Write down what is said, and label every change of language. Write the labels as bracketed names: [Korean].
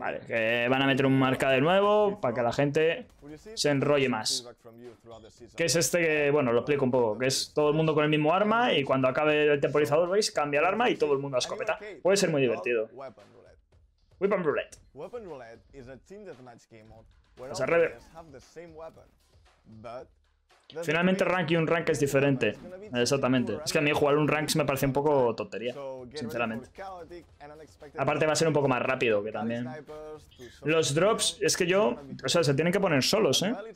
[Spanish] Vale, que van a meter un arcade nuevo para que la gente se enrolle más. Que es este que, bueno, lo explico un poco, que es todo el mundo con el mismo arma y cuando acabe el temporizador, veis, cambia el arma y todo el mundo a escopeta. Puede ser muy divertido. Weapon Roulette. [English] Weapon Roulette is a team deathmatch game mode where all players have the same weapon. [Spanish] Finalmente rank y un rank es diferente. Exactamente. Es que a mí jugar un rank me parece un poco tontería, sinceramente. Aparte va a ser un poco más rápido que también. Los drops, es que yo, o sea, se tienen que poner solos, ¿eh?